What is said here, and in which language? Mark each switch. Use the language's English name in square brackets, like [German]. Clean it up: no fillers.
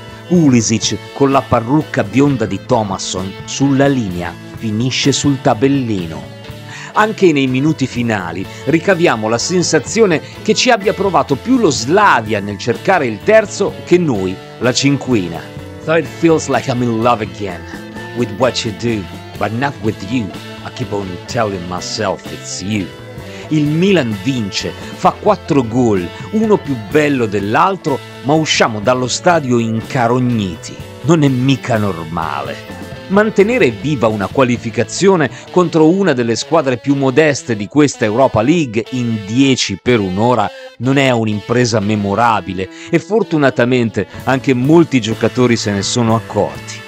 [Italian] Ulisic, con la parrucca bionda di Thomasson sulla linea, finisce sul tabellino. Anche nei minuti finali ricaviamo la sensazione che ci abbia provato più lo Slavia nel cercare il terzo che noi la cinquina. [English] So it feels like I'm in love again with what you do, but not with you. I keep on telling myself it's you. [Italian] Il Milan vince, fa 4 gol, uno più bello dell'altro, ma usciamo dallo stadio incarogniti. Non è mica normale. Mantenere viva una qualificazione contro una delle squadre più modeste di questa Europa League in 10 per un'ora non è un'impresa memorabile e fortunatamente anche molti giocatori se ne sono accorti.